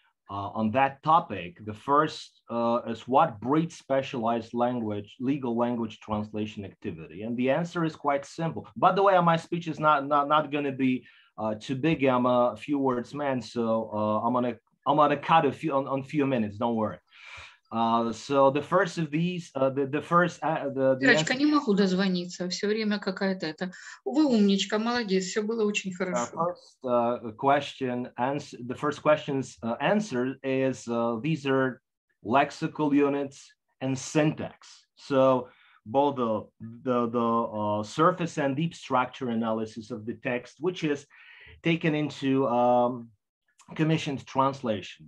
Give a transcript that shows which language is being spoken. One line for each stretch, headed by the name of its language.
English: On that topic, the first is what breeds specialized language, legal language translation activity? And the answer is quite simple. By the way, my speech is not going to be too big. I'm a few words man, so I'm gonna cut a few on few minutes. Don't worry. So the first of these,
Russian: Ирочка, не могу дозвониться, все время какая-то это. Вы умничка, молодец, все было очень хорошо.
English: The first question's answer is, these are lexical units and syntax. So both the surface and deep structure analysis of the text, which is taken into commissioned translation.